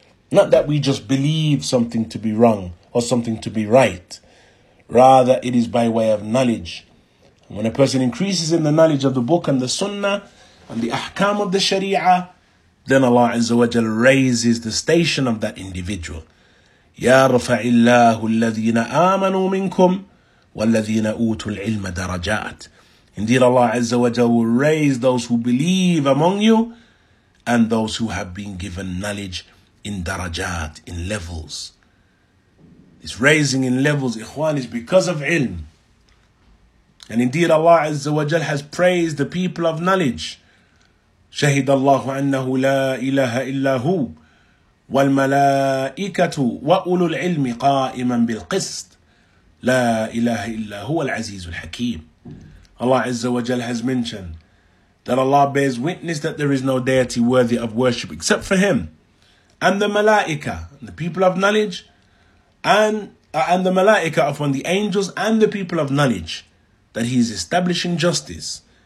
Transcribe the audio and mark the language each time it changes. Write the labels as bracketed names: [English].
[English] Not that we just believe something to be wrong or something to be right. Rather, it is by way of knowledge. When a person increases in the knowledge of the book and the sunnah and the ahkam of the sharia, then Allah Azza wa Jal raises the station of that individual. [Arabic] يرفع الله الذين آمنوا منكم والذين أوتوا العلم درجات. [English] Indeed, Allah Azza wa Jalla will raise those who believe among you and those who have been given knowledge in darajat, in levels. This raising in levels, ikhwan, is because of ilm. And indeed, Allah Azza wa Jalla has praised the people of knowledge. [Arabic] شهد الله أنه لا إله إلا هو والملائكة وأولو العلم قائما بالقسط لا إله إلا هو العزيز الحكيم. [English] Allah Azza wa Jalla has mentioned that Allah bears witness that there is no deity worthy of worship except for Him, and the Malaika, the people of knowledge, and the Malaika of one, the angels and the people of knowledge, that He is establishing justice.